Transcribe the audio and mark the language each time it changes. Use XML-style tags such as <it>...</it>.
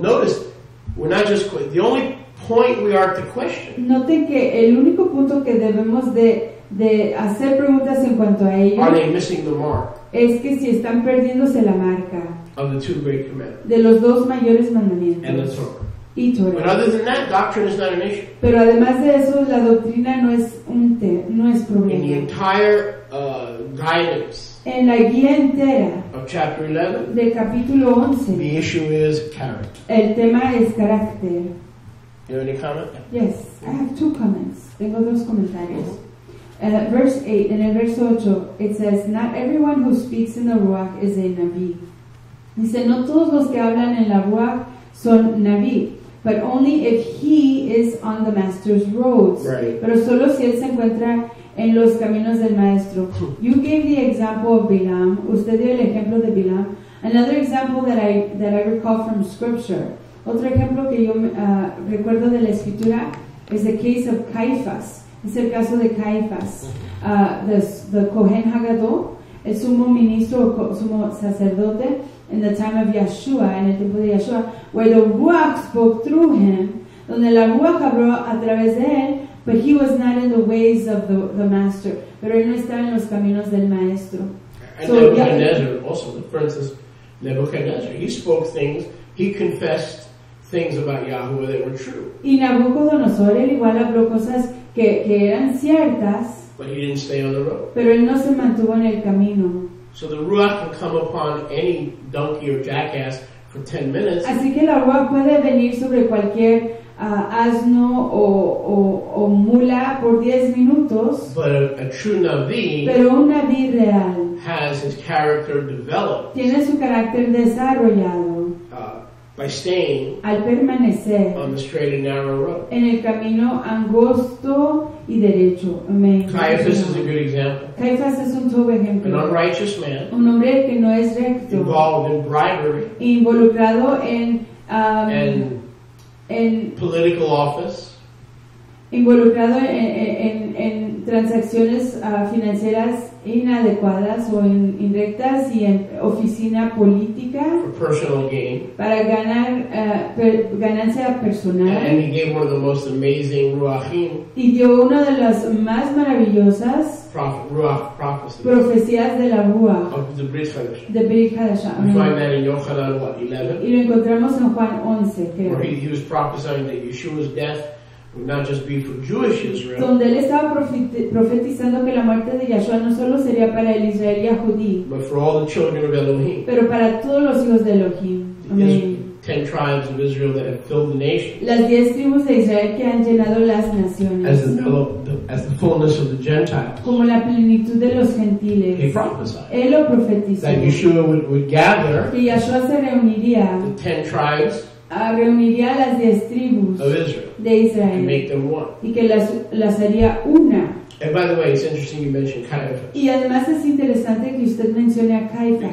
<en>Notice, we're not just the only point we are to question.</en> <es>Note que el único punto que debemos de hacer preguntas en cuanto a ello.</es> <en>Are they missing the mark?</en> <es>Es que si están perdiéndose la marca.</es> <en>Of the two great commandments.</en> <es>De los dos mayores mandamientos.</es> <en>And the Torah.</en> <es>Y Torah.</es> <en>But other than that, doctrine is not an issue.</en> <es>Pero además de eso, la doctrina no es un no es problema.</es> <en>In the entire guidance.</en> <es>En la guía entera</es> <en>of chapter 11,</en> <es>del capítulo 11,</es> <en>the issue is character.</en> <es>El tema es carácter.</es> <en>You have any comment? Yes, I have two comments.</en> <es>Tengo dos comentarios.</es> <en>Mm-hmm. Verse 8,</en> <es>en el verso 8,</es> <en>it says, not everyone who speaks in the Ruach is a Navi.</en> <es>Dice, no todos los que hablan en la Ruach son Navi.</es> <en>But only if he is on the master's roads. Right.</en> <es>Pero solo si él se encuentra en los caminos del maestro.</es> <en>You gave the example of Bilam.</en> <es>Usted dio el ejemplo de Bilam.</es> <en>Another example that I recall from scripture.</en> <es>Otro ejemplo que yo recuerdo de la escritura</es> <en>is the case of Caifás.</en> <es>Es el caso de Caifás.</es> <en>The Kohen Hagadol,</en> <es>el sumo ministro o sumo sacerdote</es> <en>in the time of Yeshua,</en> <es>en el tiempo de Yeshua,</es> <en>where the Ruach spoke through him,</en> <es>donde la Ruach habló a través de él,</es> <en>but he was not in the ways of the master.</en> <es>Pero él no estaba en los caminos del maestro.</es> <en>And so, Nebuchadnezzar, also, for instance, Nebuchadnezzar, he spoke things, he confessed things about Yahuwah that were true.</en> <es>Y Nabucodonosor, él igual habló cosas que eran ciertas,</es> <en>but he didn't stay on the road.</en> <es>Pero él no se mantuvo en el camino.</es> <en>So the Ruach can come upon any donkey or jackass for 10 minutes.</en> <es>Así que la Ruach puede venir sobre cualquier asno o mula por 10 minutos.</es> <en>But a true Navi,</en> <es>pero un Navi real,</es> <en>has his character developed.</en> <es>Tiene su carácter desarrollado.</es> <en>By staying</en> <es>al permanecer</es> <en>on the straight and narrow road.</en> <es>En el camino angosto y derecho.</es> <en>Caiaphas is a good example.</en> <es>Caiaphas es un todo ejemplo.</es> <en>An unrighteous man.</en> <es>Un hombre que no es recto.</es> <en>Involved in bribery.</en> <es>Involucrado en</es> <en>en political office.</en> <es>Involucrado en transacciones financieras inadecuadas o indirectas y en oficina política para ganar ganancia personal.</es> <en>And he gave one of the most amazing ruachim,</en> <es>y dio una de las más maravillosas profecías de la Rúa de Brit Hadasha. Y lo encontramos en Juan 11, creo.</es> <en>Where he was prophesying that Yeshua's death would not just be for Jewish Israel.</en> <es>Donde él estaba profetizando que la muerte de Yahshua no solo sería para el Israel yahudí,</es> <en>but for all the children of Elohim.</en> <es>Pero para todos los hijos de Elohim.</es> <en>Ten tribes of Israel that have filled the nations.</en> <es>Las 10 tribus de Israel que han llenado las naciones.</es> <en>As the fullness of the Gentiles.</en> <es>Como la plenitud de los gentiles.</es> <en>He prophesied.</en> <es>Él lo profetizó.</es> <en>That Yeshua would gather.</en> <es>Que Yahshua se reuniría.</es> <en>The 10 tribes.</en> <es>reuniría a las 10 tribus</es> <en>of Israel,</en> <es>de Israel,</es> <en>and make them one.</en> <es>Y que las haría una.</es> <en>And by the way, it's interesting you mention Caiaphas.</en> <es>Y además es interesante que usted mencione a Caiaphas.</es>